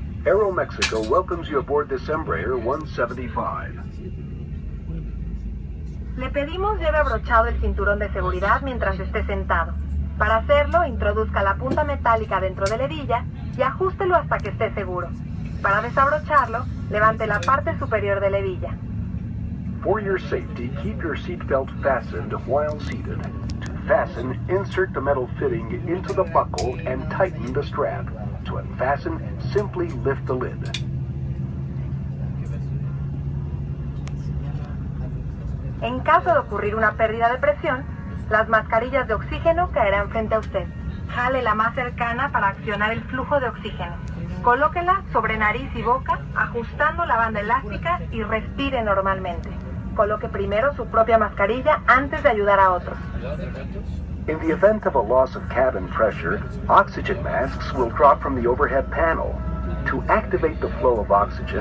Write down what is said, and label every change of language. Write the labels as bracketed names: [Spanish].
[English] Aeroméxico welcomes you aboard this Embraer 175. [Spanish] Le pedimos lleve abrochado el cinturón de seguridad mientras esté sentado. Para hacerlo, introduzca la punta metálica dentro de la hebilla y ajústelo hasta que esté seguro. Para desabrocharlo, levante la parte superior de la hebilla. [English] For your safety, keep your seatbelt fastened while seated. Fasten, insert the metal fitting into the buckle and tighten the strap. To unfasten, simply lift the lid. [Spanish] En caso de ocurrir una pérdida de presión, las mascarillas de oxígeno caerán frente a usted. Jale la más cercana para accionar el flujo de oxígeno. Colóquela sobre nariz y boca, ajustando la banda elástica y respire normalmente. Coloque primero su propia mascarilla antes de ayudar a otros. [English] In the event of a loss of cabin pressure, oxygen masks will drop from the overhead panel. To activate the flow of oxygen,